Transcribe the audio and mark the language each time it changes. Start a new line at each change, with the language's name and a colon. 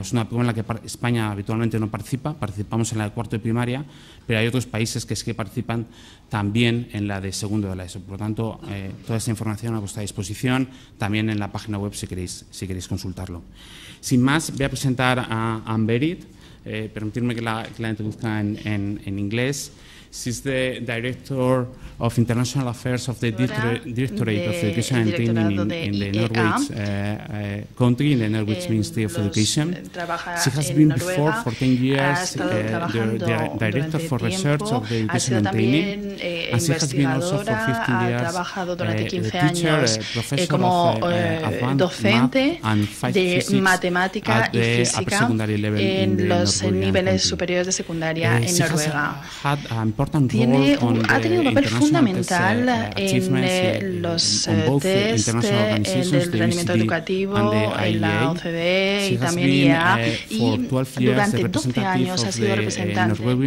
Spanish: Es una prueba en la que España habitualmente no participa, participamos en la de cuarto de primaria, pero hay otros países que sí que participan también en la de segundo de la ESO. Por lo tanto, toda esa información a vuestra disposición, también en la página web si queréis consultarlo. Sin más, voy a presentar a Ann Berit. Permitirme que la introduzca en inglés.
English: She's the Director of International Affairs of the Directorate of Education and Training in the Norwich country, in the Norwich Ministry of Education. She has been before for 10 years the Director for Research of the Education and Training. And she has been also for 15 years the teacher, professor of advanced math and physics at the upper secondary level in the
Spanish: niveles superiores de secundaria en Noruega. Ha tenido un papel fundamental en los test del rendimiento educativo, en la OCDE y también IEA, y durante 12 años ha sido representante de los